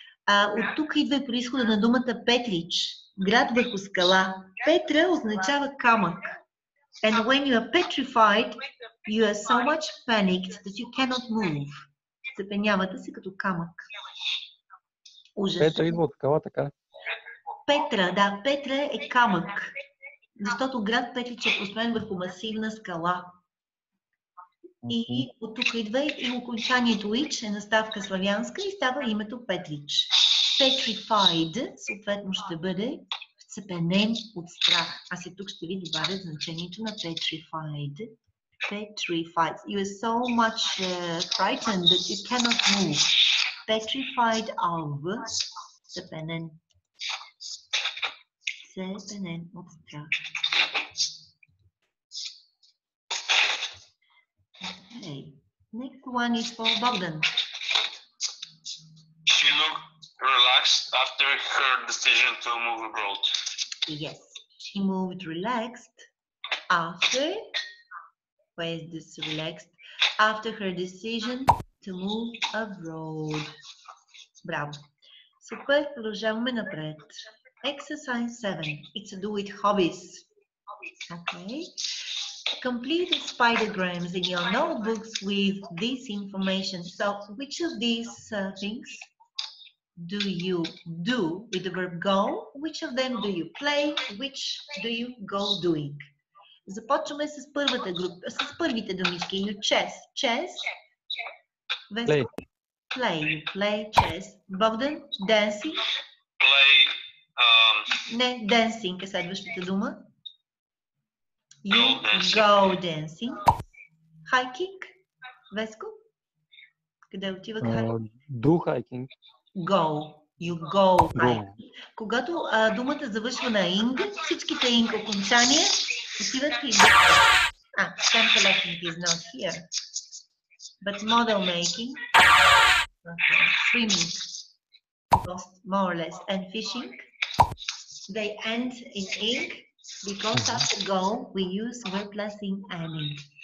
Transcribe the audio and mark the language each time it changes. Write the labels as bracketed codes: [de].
[bg] От тук идва произхода на думата Петрич. Град върху скала. Петра означава камък. [en] And when you are petrified, you are so much panicked that you cannot move. [bg] Цепенявате се като камък. Ужас. Петра идва от скала, така? Петра, да. Петра е камък. Защото град Петрич е построен върху масивна скала. И от тук идва и окончанието [en] which [bg] е наставка славянска и става името Петрич. Petrified, съответно ще бъде вцепенен от страх. Аз и тук ще ви добавя значението на petrified. [en] Petrified. You are so much frightened that you cannot move. Petrified of [bg] вцепенен. Вцепенен от страх. [en] Okay. Next one is for Bogdan. Relaxed after her decision to move abroad. Yes, she moved relaxed after. Where is this relaxed? After her decision to move abroad. [bg] Браво. Супер, продължаваме напред. [en] Exercise 7. It's to do with hobbies. Okay. Complete spidergrams in your notebooks with this information. So, which of these things do you do with the verb go? Which of them do you play? Which do you go doing? [bg] Започваме с първата група, с първите думички. [en] You chess. Chess Vesco? Play. Play. You play chess. Bogdan, dancing? Play. [bg] Не, dancing, е следващата дума. [en] You go dancing. Hiking? Веско? [bg] Къде отива [en] hiking? Do hiking. Go. You go hiking. Go. [bg] Когато думата завършва на ing, всичките ing окончания отиват и... [en] some collecting is not here. But model making, swimming, more or less, and fishing, they end in ing, because after go, we use verb plus ing and ing.